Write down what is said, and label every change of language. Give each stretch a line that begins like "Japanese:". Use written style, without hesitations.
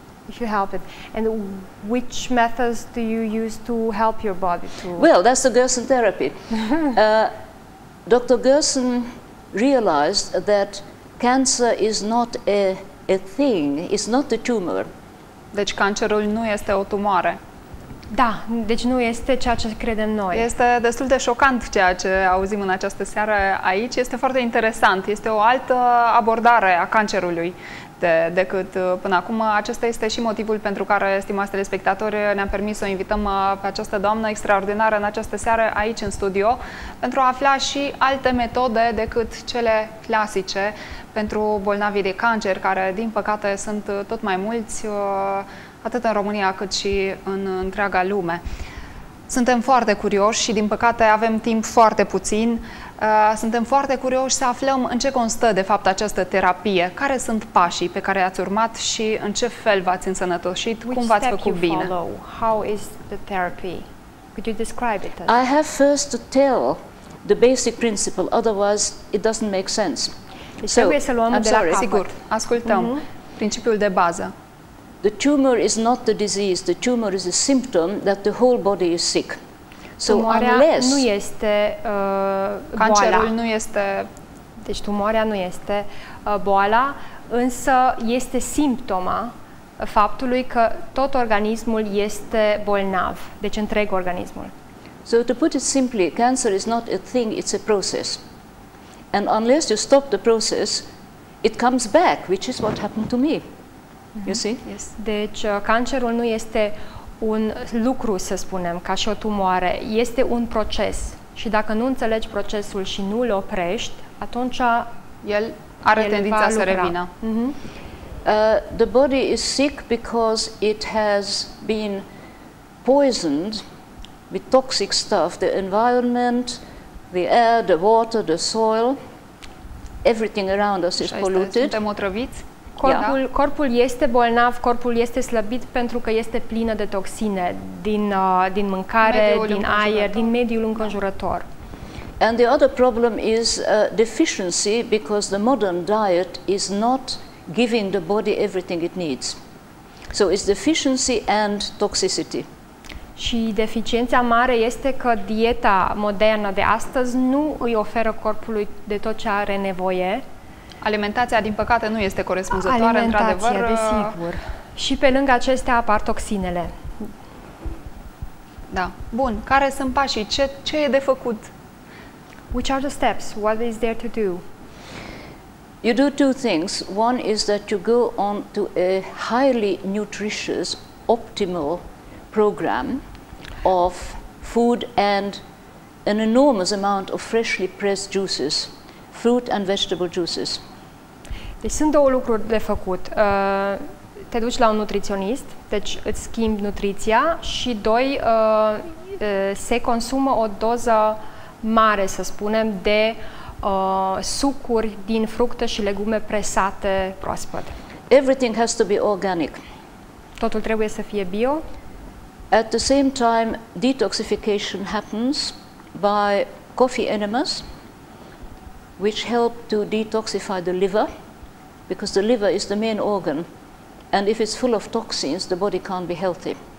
English: If you help it. And which methods do you use to help your body? Well, that's the Gerson therapy. Dr. Gerson realized that cancer is not a thing, it's not a tumor.
Romanian: Deci cancerul nu este o tumoare. Da, deci nu este ceea ce credem noi. Este destul de șocant ceea ce auzim în această seară aici. Este foarte interesant. Este o altă abordare a cancerului decât până acum. Acesta este și motivul pentru care, stimați telespectatori, ne-am permis să o invităm pe această doamnă extraordinară în această seară aici în studio, pentru a afla și alte metode decât cele clasice pentru bolnavii de cancer, care, din păcate, sunt tot mai mulți, atât în România cât și în întreaga lume. Suntem foarte curioși și, din păcate, avem timp foarte puțin. Suntem foarte curioși să aflăm în ce constă, de fapt, această terapie. Care sunt pașii pe care i-ați urmat și în ce fel v-ați însănătoșit?
English: Which
Romanian: cum v-ați făcut bine?
English: How is the therapy? Could you describe it? I have first to tell the basic principle, otherwise it doesn't make sense.
Romanian: Deci trebuie să luăm de la capăt. Sigur, ascultăm. Mm-hmm. Principiul de bază.
English: The tumor is not the disease. The tumor is a symptom that the whole body is sick. So
Romanian: tumoarea
English: unless
Romanian: nu este cancerul boala. Nu este, deci tumoarea nu este boala, însă este simptoma faptului că tot organismul este bolnav, deci întreg organismul.
English: So to put it simply, cancer is not a thing, it's a process. And unless you stop the process, it comes back, which is what happened to me. You see? Yes.
Romanian: Deci cancerul nu este un lucru, să spunem, ca și o tumoare, este un proces. Și dacă nu înțelegi procesul și nu îl oprești, atunci el are tendința să revină. Mm-hmm.
English: The body is sick because it has been poisoned with toxic stuff, the environment, the air, the water, the soil, everything around us is polluted.
Romanian: Suntem otrăviți. Corpul, da. Corpul este bolnav, corpul este slăbit pentru că este plină de toxine din mâncare, mediul din aer, din mediul înconjurător.
English: And the other problem is deficiency because the modern diet is not giving the body everything it needs. So it's deficiency and toxicity.
Romanian: Și deficiența mare este că dieta modernă de astăzi nu îi oferă corpului de tot ce are nevoie. Alimentația, din păcate, nu este corespunzătoare, într-adevăr. Alimentația, desigur. Și pe lângă acestea apar toxinele. Da. Bun. Care sunt pașii? Ce e de făcut?
English: Which are the steps? What is there to do? You do two things. One is that you go on to a highly nutritious, optimal program of food and an enormous amount of freshly pressed juices, fruit and vegetable juices.
Romanian: Deci sunt două lucruri de făcut. Te duci la un nutriționist, deci îți schimbi nutriția și, doi, se consumă o doză mare, să spunem, de sucuri din fructe și legume presate proaspăt.
English: Everything has to be organic.
Romanian: Totul trebuie să fie bio.
English: At the same time, detoxification happens by coffee enemas, which help to detoxify the liver. Because the liver is the main organ, and if it's full of toxins, the body can't be healthy.